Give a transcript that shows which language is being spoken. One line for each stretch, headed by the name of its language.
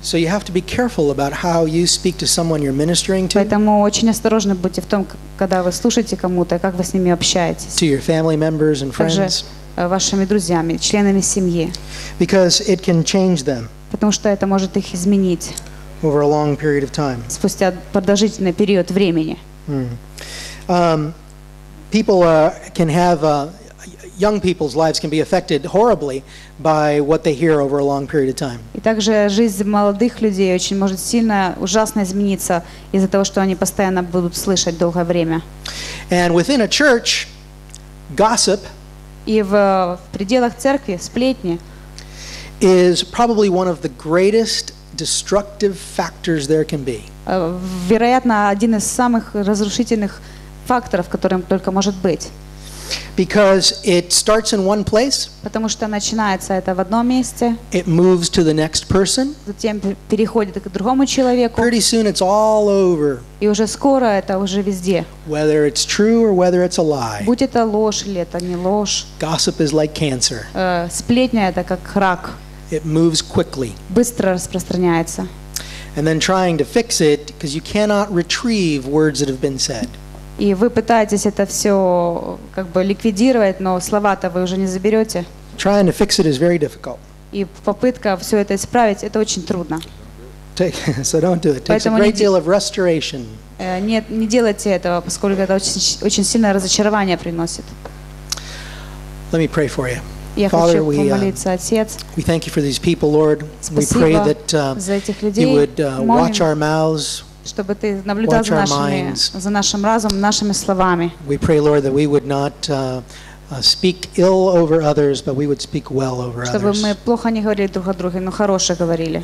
English: So you have to be careful about how you speak to someone you're ministering to.
Russian: Поэтому очень осторожны будьте в том, когда вы слушаете кому-то, как вы с ними общаетесь.
English: To your family members and friends.
Russian: Также вашими друзьями, членами семьи.
English: Because it can change them.
Russian: Потому что это может их изменить.
English: Over a long period of time.
Russian: Спустя продолжительный период времени.
English: People can have young people's lives can be affected horribly by what they hear over a long period of time.
Russian: И также жизнь молодых людей очень может сильно ужасно измениться из-за того, что они постоянно будут слышать долгое время.
English: And within a church, gossip.
Russian: И в пределах церкви сплетни.
English: Is probably one of the greatest destructive factors there can be.
Russian: Вероятно, один из самых разрушительных факторов, которым только может быть.
English: Because it starts in one place.
Russian: Потому что начинается это в одном месте.
English: It moves to the next person.
Russian: Затем переходит к другому человеку.
English: Pretty soon it's all over.
Russian: И уже скоро это уже везде.
English: Whether it's true or whether it's a lie.
Russian: Будь это ложь или это не ложь.
English: Gossip is like cancer.
Russian: Сплетня это как рак.
English: It moves quickly.
Russian: Быстро распространяется.
English: And then trying to fix it because you cannot retrieve words that have been said.
Russian: И вы пытаетесь это все как бы ликвидировать, но слова-то вы уже не заберете.
English: Trying to fix it is very difficult.
Russian: И попытка все это исправить, это очень трудно.
English: So don't do it. It takes a great deal of restoration.
Russian: Нет, не делайте этого, поскольку это очень сильное разочарование приносит.
English: Let me pray for you.
Russian: Я Father, хочу помолиться, Отец.
English: We thank you for these people, Lord.
Russian: Спасибо
English: we pray that,
Russian: за этих людей.
English: You would watch our mouths.
Russian: Чтобы ты наблюдал за нашими, за нашим разумом, нашими словами.
English: We pray, Lord, that we would not speak ill over others, but we would speak well over others.
Russian: Чтобы мы плохо не говорили друг о друге, но хорошо говорили.